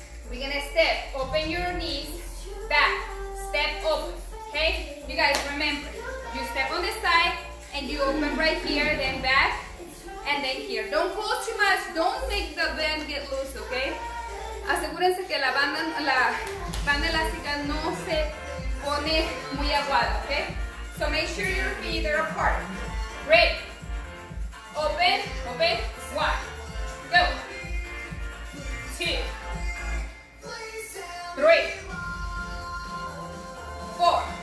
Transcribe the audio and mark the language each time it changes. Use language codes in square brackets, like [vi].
[en] We're gonna step, open your knees, back, step up, okay? You guys, remember, you step on this side, and you open right here, then back, and then here. Don't pull too much, don't make the band get loose, okay? [es] Asegúrense que la banda elástica no se pone muy aguada, okay? [en] So make sure your feet are apart. Great. Open, open, one, go. Two. Three. Four.